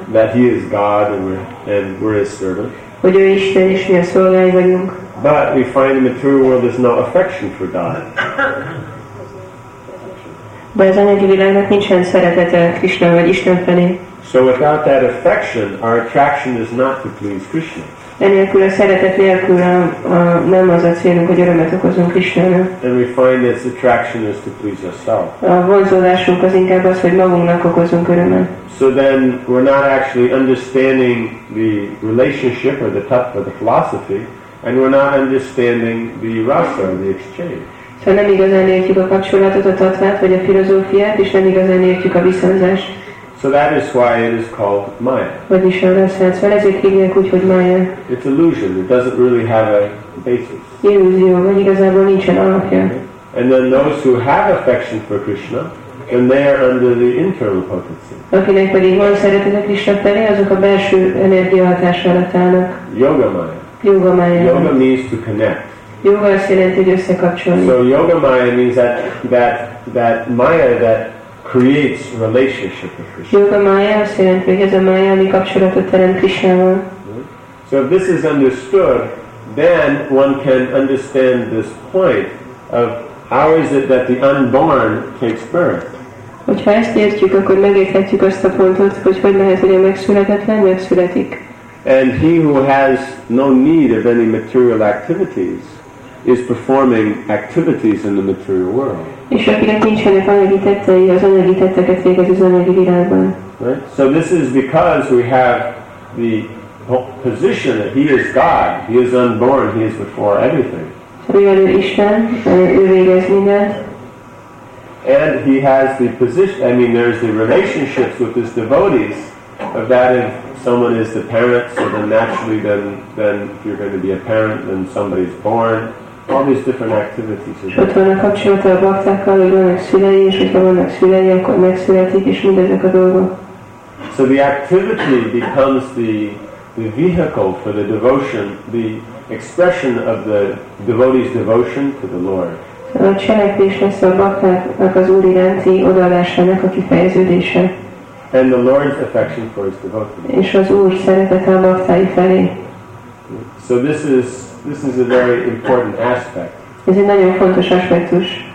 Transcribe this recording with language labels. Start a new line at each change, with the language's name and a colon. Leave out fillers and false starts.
English: That he is God and we're his servant.
Hungarian: Hogy ő Isten és mi a szolgái vagyunk.
English: But we find in the true world there's no affection for God.
Hungarian: De az anyagi világnak nincsen szeretete Krishna vagy Isten felé.
English: So without that affection, our attraction is not to please Krishna.
Hungarian: Enélkül a szeretet nélkül nem az a célunk, hogy örömet okozunk Krishnának.
English: And we find this attraction is to please ourselves.
Hungarian: A vonzódásunk az inkább az, hogy magunknak okozunk örömet.
English: So then we're not actually understanding the relationship or the tattva, the philosophy, and we're not understanding the rasa, the exchange.
Hungarian: Szóval nem igazán értjük a kapcsolatot, a tattvát vagy a filozófiát, és nem igazán értjük a viszonzást.
English: So that is why it is called Maya.
Hungarian: Vagy is arra szállt, szóval ezért hívják úgy, hogy Maya.
English: It's illusion. It doesn't really have a basis.
Hungarian: Illúzió, vagy igazából nincsen alapja.
English: Okay. And then those who have affection for Krishna, then they are under the internal potency.
Hungarian: Akinek pedig van szeretet a Krishna felé, azok a belső energia hatása alatt állnak.
English: Yoga Maya.
Hungarian: Yoga Maya.
English: Yoga means to connect.
Hungarian: Yoga azt jelenti, hogy összekapcsolni.
English: So Yoga Maya means that Maya that creates relationship with Krishna.
Hungarian: Yoga Maya azt jelenti, hogy ez a Maya, ami kapcsolatot teremt Krishnával.
English: So if this is understood, then one can understand this point of how is it that the unborn takes birth.
Hungarian: Hogyha ezt értjük, akkor megérthetjük azt a pontot, hogy lehet, hogy a megszületetlen megszületik.
English: And he who has no need of any material activities is performing activities in the material world.
Hungarian: És akinek nincsenek anyagi tettei, az anyagi tetteket végez az anyagi világban.
English: Right? So this is because we have the position that he is God, he is unborn, he is before everything.
Hungarian: Mivel ő Isten, ő végez mindent.
English: And he has the position, I mean there's the relationships with his devotees of that in someone is the parent, so then naturally then if you're going to be a parent, then somebody is born. All these different activities.
Hungarian: Ott van a kapcsolata a baktákkal, hogy vannak szülei, és hogyha vannak szülei, akkor megszületik, és mindezek a dolgok.
English: So the activity becomes the vehicle for the devotion, the expression of the devotee's devotion to the Lord.
Hungarian: A cselekvés lesz a baktáknak az Úr iránti odaadásának a kifejeződése.
English: And the Lord's affection for his devotees.
Hungarian: És az Úr szeretete a baktái felé.
English: So this is a very important aspect.
Hungarian: Ez egy nagyon fontos aspektus.